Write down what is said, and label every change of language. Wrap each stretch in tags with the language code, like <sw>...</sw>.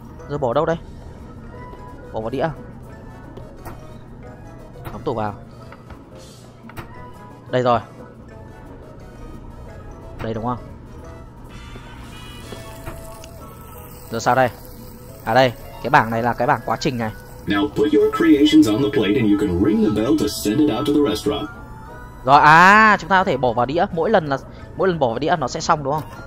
<vi>Giờ bỏ đâu đây? Bỏ vào đĩa. Đóng tủ vào. Đây rồi. Đây đúng không? Giờ sao đây? À đây, cái bảng này là cái bảng quá trình này.</vi> <en>Now put your creations on the plate and you can ring the bell to send it out to the restaurant.</en> <vi>Rồi à, chúng ta có thể bỏ vào đĩa, mỗi lần bỏ vào đĩa nó sẽ xong đúng không?</vi>